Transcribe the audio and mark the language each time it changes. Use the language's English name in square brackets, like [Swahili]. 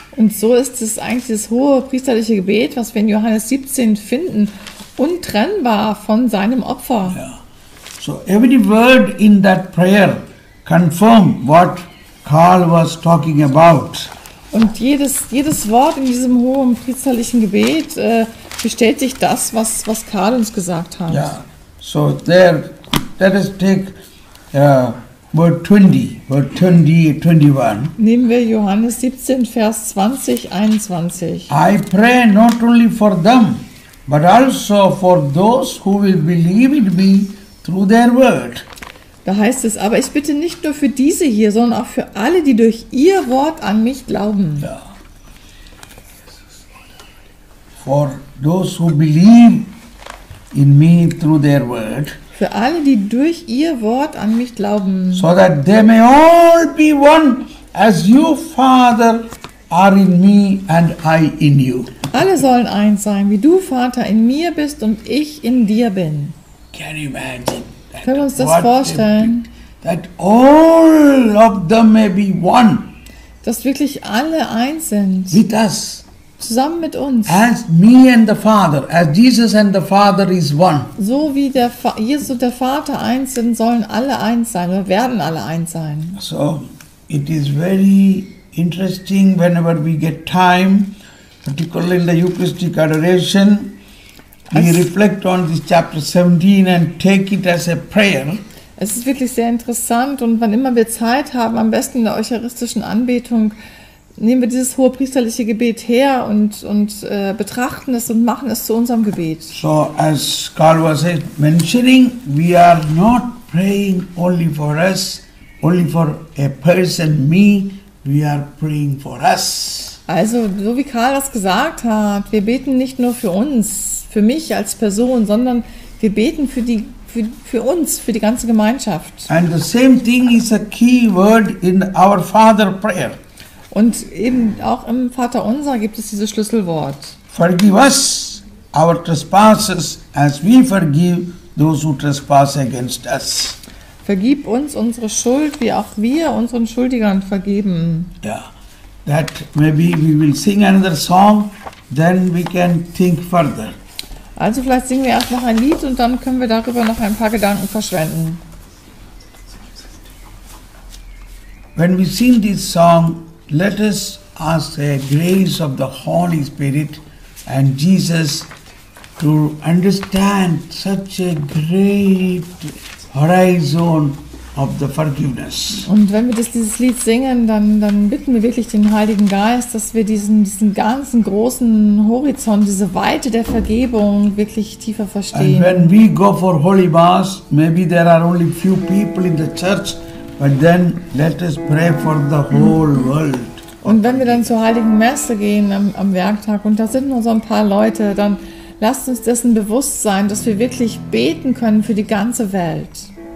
[German] Und so ist es eigentlich das hohe priesterliche Gebet, was wir in Johannes 17 finden, untrennbar von seinem Opfer. [English] Yeah. So every word in that prayer confirms what Karl was talking about. [German] Und jedes Wort in diesem hohen priesterlichen Gebet bestätigt das, was Karl uns gesagt hat. [English] Ja, so there, let us take word 20, word 20, 21. [German] Nehmen wir Johannes 17, Vers 20, 21. [English] I pray not only for them, but also for those who will believe in me through their word. [German] Da heißt es, aber ich bitte nicht nur für diese hier, sondern auch für alle, die durch ihr Wort an mich glauben. Ja. [English] For those who believe in me through their word. [German] Für alle, die durch ihr Wort an mich glauben. [English] So that they may all be one, as you, Father, are in me and I in you. [German] Alle sollen eins sein, wie du, Vater, in mir bist und ich in dir bin. [English] Can you imagine? [German] Können wir uns das vorstellen? [English] That all of them may be one. [German] Dass wirklich alle eins sind. [English] With us. [German] Zusammen mit uns. [English] As me and the Father, as Jesus and the Father is one. [German] So wie der Jesus und der Vater eins sind, sollen alle eins sein oder werden alle eins sein. [English] So, it is very interesting whenever we get time, particularly in the Eucharistic adoration. We reflect on this chapter 17 and take it as a prayer. [German] Es ist wirklich sehr interessant und wann immer wir Zeit haben, am besten in der eucharistischen Anbetung, nehmen wir dieses hohe priesterliche Gebet her und betrachten es und machen es zu unserem Gebet. [English] So, as Karl was mentioning, we are not praying only for us, only for a person, me, we are praying for us. [German] Also, so wie Karl das gesagt hat, wir beten nicht nur für uns, für mich als Person, sondern wir beten für uns, für die ganze Gemeinschaft. [English] And the same thing is a key word in our Father prayer. [German] Und eben auch im Vater unser gibt es dieses Schlüsselwort. [English] Forgive us our trespasses as we forgive those who trespass against us. [German] Vergib uns unsere Schuld, wie auch wir unseren Schuldigern vergeben. Ja. [English] That maybe we will sing another song, then we can think further. [German] Also vielleicht singen wir erst noch ein Lied und dann können wir darüber noch ein paar Gedanken verschwenden. [English] When we sing this song, let us ask the grace of the Holy Spirit and Jesus to understand such a great horizon of the forgiveness. [German] Und wenn wir dieses Lied singen, dann bitten wir wirklich den Heiligen Geist, dass wir diesen ganzen großen Horizont, diese Weite der Vergebung wirklich tiefer verstehen. [English] And when we go for Holy Mass, maybe there are only few people in the church, but then let us pray for the whole world. [German] Und wenn wir dann zur Heiligen Messe gehen am Werktag und da sind nur so ein paar Leute, dann lasst uns dessen bewusst sein, dass wir wirklich beten können für die ganze Welt.